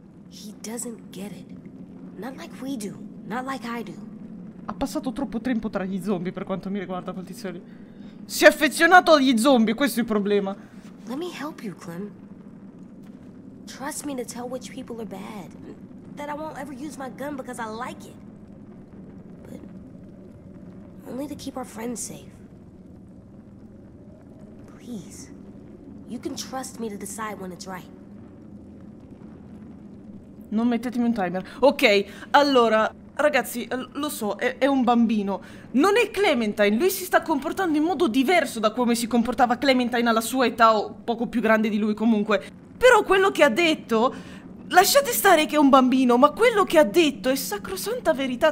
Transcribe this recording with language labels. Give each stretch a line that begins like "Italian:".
English: He doesn't get it. Not like we do. Not like I do.
Italian: Ha passato troppo tempo tra gli zombie per quanto mi riguarda, quel tizio lì. Si è affezionato agli zombie, questo è il problema.
English: Let me help you, Clem. Trust me to tell which people are bad. That I won't ever use my gun because I like it. But only to keep our friends safe. Please. You can trust me to decide when it's right.
Italian: Non mettetemi un timer. Ok, allora, ragazzi, lo so, è un bambino. Non è Clementine, lui si sta comportando in modo diverso da come si comportava Clementine alla sua età o poco più grande di lui comunque. Però quello che ha detto, lasciate stare che è un bambino, ma quello che ha detto è sacrosanta verità.